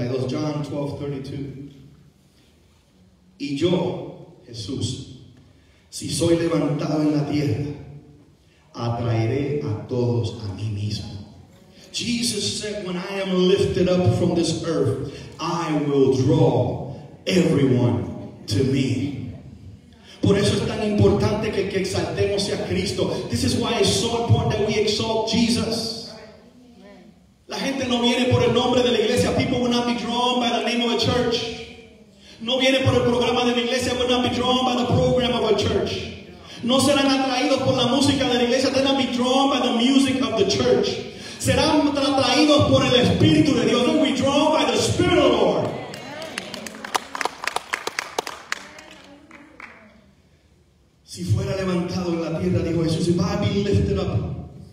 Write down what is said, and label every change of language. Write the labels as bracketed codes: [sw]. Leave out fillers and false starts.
[es] John 12:32. Y yo, Jesús, si soy levantado en la tierra, atraeré a todos a mí mismo. [en] Jesus said, when I am lifted up from this earth, I will draw everyone to me. [es] Por eso es tan importante que exaltemos a Cristo. [en] This is why it's so important that we exalt Jesus. [es] La gente no viene por el nombre de la iglesia. [en] People will not be drawn by the name of a church. [es] No viene por el programa de la iglesia. [en] Will not be drawn by the program of a church. [es] No serán atraídos por la música de la iglesia. [en] They will not be drawn by the music of the church. [es] Serán atraídos por el Espíritu de Dios. [en] We draw by the Spirit of the Lord. [es] Si fuera levantado en la tierra, dijo Jesús, [en] if I be lifted up.